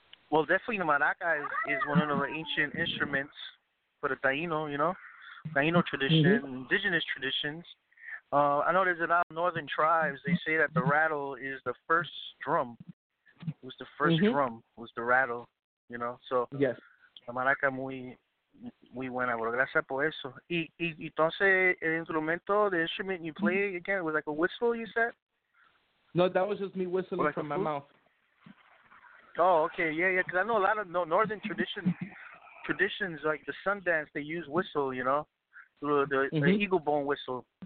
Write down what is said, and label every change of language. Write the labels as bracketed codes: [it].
[en] Well, definitely the maraca is one of the ancient instruments for the Taíno, you know, Taíno tradition, indigenous traditions. I know there's a lot of northern tribes, they say that the rattle is the first drum. It was the first drum, was the rattle, you know. So, yes. [es] La maraca muy, muy buena, pero gracias por eso. Y entonces, el instrumento, [en] the instrument you play, again, it was like a whistle, you said? No, that was just me whistling like from my mouth. Oh, okay, yeah, because I know a lot of northern traditions, like the sun dance, they use whistle, you know, the eagle bone whistle.